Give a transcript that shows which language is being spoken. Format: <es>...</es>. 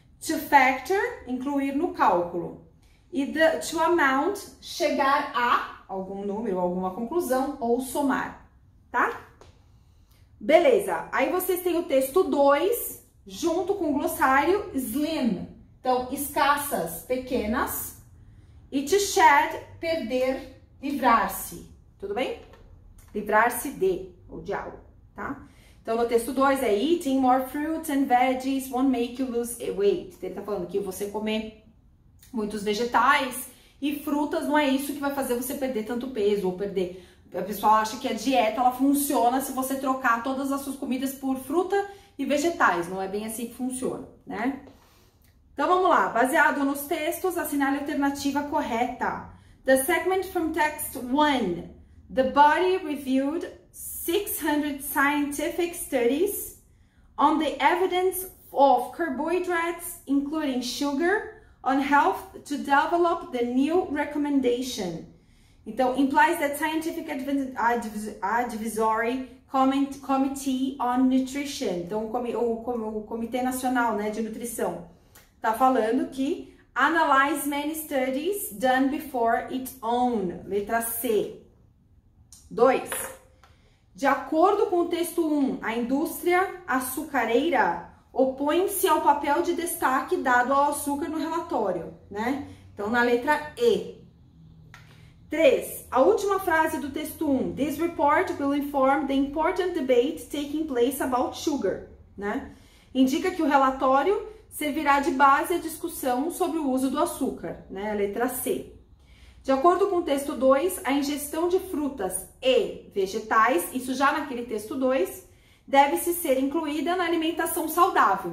<pt>To factor, incluir no cálculo. E to amount, chegar a algum número, alguma conclusão ou somar, tá? Beleza, aí vocês têm o texto 2, junto com o glossário, slim, então escassas, pequenas, e to shed, perder, livrar-se, tudo bem? Livrar-se de, ou de algo, tá? Então no texto 2 é</pt> <en>eating more fruits and veggies won't make you lose weight.</en> <pt>Ele tá falando que você comer muitos vegetais e frutas não é isso que vai fazer você perder tanto peso ou perder... A pessoa acha que a dieta, ela funciona se você trocar todas as suas comidas por fruta e vegetais. Não é bem assim que funciona, né? Então, vamos lá. Baseado nos textos, assinale a alternativa correta.</pt> <en>The segment from text 1. The body reviewed 600 scientific studies on the evidence of carbohydrates, including sugar, on health to develop the new recommendation. Então, implies that scientific advisory committee on nutrition.</en> <pt>Então, o Comitê Nacional, né, de Nutrição está falando que</pt> <en>analyze many studies done before its own.</en> <pt>Letra C. 2. De acordo com o texto 1, a indústria açucareira opõe-se ao papel de destaque dado ao açúcar no relatório, né? Então, na letra E. 3. A última frase do texto 1.</pt> <en>This report will inform the important debate taking place about sugar.</en> <pt>Né? Indica que o relatório servirá de base à discussão sobre o uso do açúcar. Né? Letra C. De acordo com o texto 2, a ingestão de frutas e vegetais, isso já naquele texto 2, deve-se ser incluída na alimentação saudável.</pt>